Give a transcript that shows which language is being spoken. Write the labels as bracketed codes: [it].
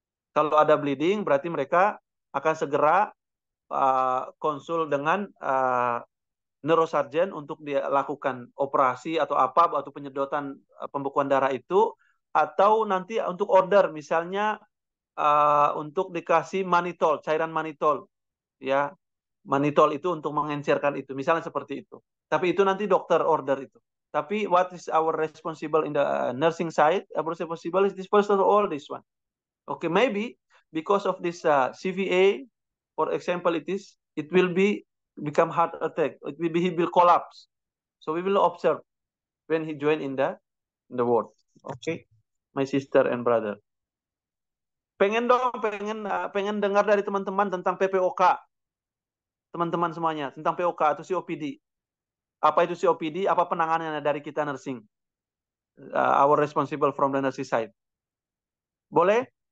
[id] Kalau ada bleeding berarti mereka akan segera konsul dengan neurosurgeon untuk dilakukan operasi atau apa, atau penyedotan pembekuan darah itu, atau nanti untuk order misalnya untuk dikasih manitol, cairan manitol ya, manitol itu untuk mengencerkan itu, misalnya seperti itu. Tapi itu nanti dokter order itu. Tapi [en] what is our responsible in the nursing side, our responsible is this, first of all this one. Okay, maybe because of this CVA for example it is, it will be become heart attack, he will collapse. So we will observe when he join in the ward. Okay, my sister and brother. [id] Pengen dengar dari teman-teman tentang PPOK, teman-teman semuanya, tentang POK atau COPD. Apa itu COPD? Apa penanganannya dari kita nursing? [en] Our responsible from the nursing side. [id] Boleh?